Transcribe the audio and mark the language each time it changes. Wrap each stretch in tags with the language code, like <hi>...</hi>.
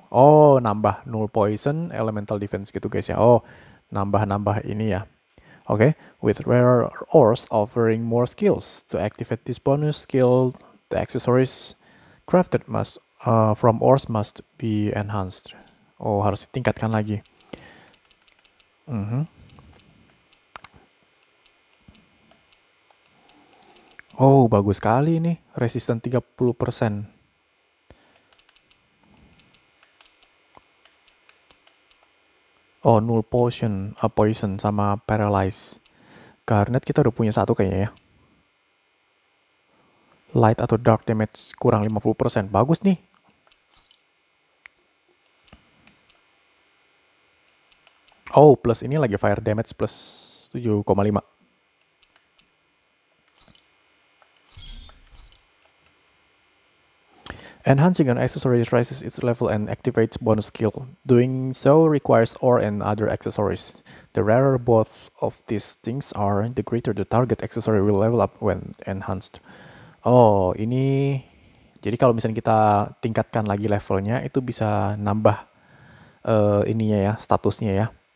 <id>Oh, nambah null poison, elemental defense gitu guys ya. Oh, nambah-nambah ini ya.</id> <en>Okay, with rarer ores offering more skills. To activate this bonus skill, the accessories crafted must from ores must be enhanced.</en> <id>Oh, harus ditingkatkan lagi. Oh, bagus sekali ini. Resistant 30%. Oh, null potion, a poison, sama paralyze. Garnet kita udah punya satu kayaknya ya. Light atau dark damage kurang 50%. Bagus nih. Oh, plus ini lagi fire damage plus 7,5.</id> <en>Enhancing an accessory raises its level and activates bonus skill. Doing so requires ore and other accessories. The rarer both of these things are, the greater the target accessory will level up when enhanced.</en> <id>Oh, ini jadi kalau misalnya kita tingkatkan lagi levelnya, itu bisa nambah ininya ya, statusnya ya.</id>